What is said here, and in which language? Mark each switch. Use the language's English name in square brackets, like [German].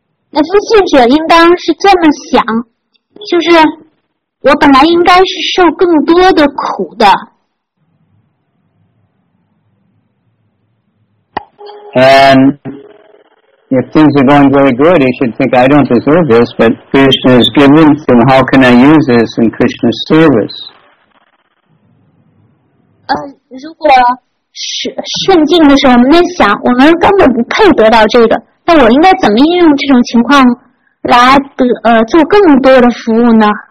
[Chinese] 那修行者应当是这么想，就是我本来应该是受更多的苦的。 [English] And if things are going very good, he should think, I don't deserve this, but Krishna has given them, how can I use this in Krishna's service? [Chinese] 如果顺境的时候，我们在想，我们根本不配得到这个。那我应该怎么应用这种情况来做更多的服务呢？